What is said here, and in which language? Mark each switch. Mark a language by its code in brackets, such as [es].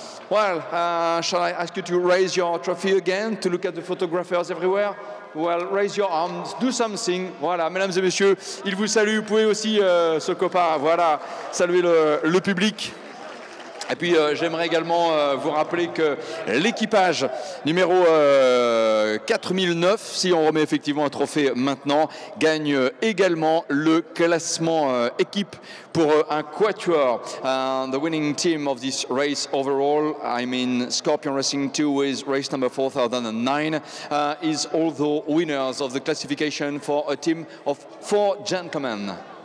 [en] Well, shall I ask you to raise your trophy again to look at the photographers everywhere? Well, raise your arms, do something. [fr] Voilà, mesdames et messieurs, il vous salue. Vous pouvez aussi, ce copain, voilà, saluer le public. Et puis, j'aimerais également vous rappeler que l'équipage numéro 4009, si on remet effectivement un trophée maintenant, gagne également le classement équipe pour un quatuor. [en] The winning team of this race overall, I mean Scorpion Racing 2 with race number 4009, is all the winners of the classification for a team of four gentlemen.